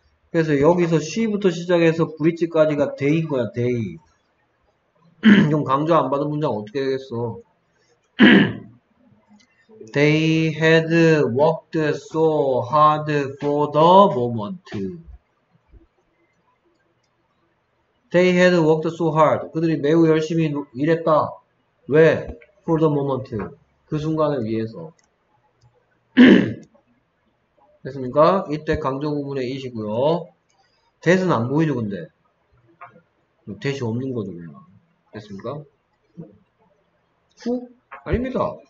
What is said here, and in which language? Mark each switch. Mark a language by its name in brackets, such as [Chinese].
[Korean] 그래서 여기서 C부터 시작해서 브릿지까지가 데이인 거야, 데이. 그럼 강조 안 받은 문장 어떻게 되겠어? [English] They had worked so hard for the moment. They had worked so hard. [Korean] 그들이 매우 열심히 일했다. 왜? [English] For the moment. [Korean] 그 순간을 위해서. 됐습니까? 이때 강조구문의 이시고요. 대신 안 보이죠, 근데. 대시 없는 거죠, 그냥. 됐습니까? 후? 아닙니다.